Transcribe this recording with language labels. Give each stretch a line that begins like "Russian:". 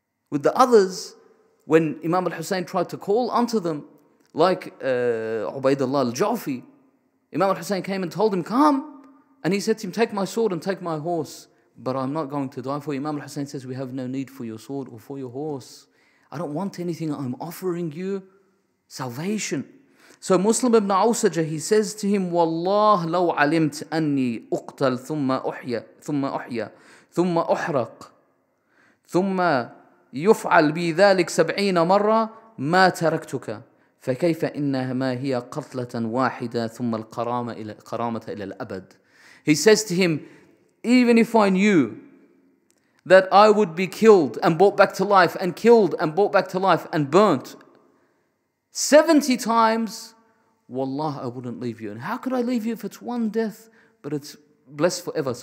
English: With the others, when Imam al-Hussein tried to call onto them, like Ubaidullah al-Jafi, Imam al-Hussein came and told him, come. And he said to him, take my sword and take my horse. But I'm not going to die for you. Imam al-Hussein says, we have no need for your sword or for your horse. I don't want anything. I'm offering you salvation. So Muslim ibn Awsajah, he says to him, Wallah,
Arabic: لو علمت أني أقتل ثم أحيا ثم أحرق ثم يفعل بي ذلك 70 مرة ما تركتك فكيف إنما هي قتلة واحدة ثم القرامة إلى قرامة إلى الأبد.
English: He says to him, even if I knew that I would be killed and brought back to life and killed and brought back to life and burnt 70 times, wallah, I wouldn't leave you. And how could I leave you if it's one death, but it's blessed forever?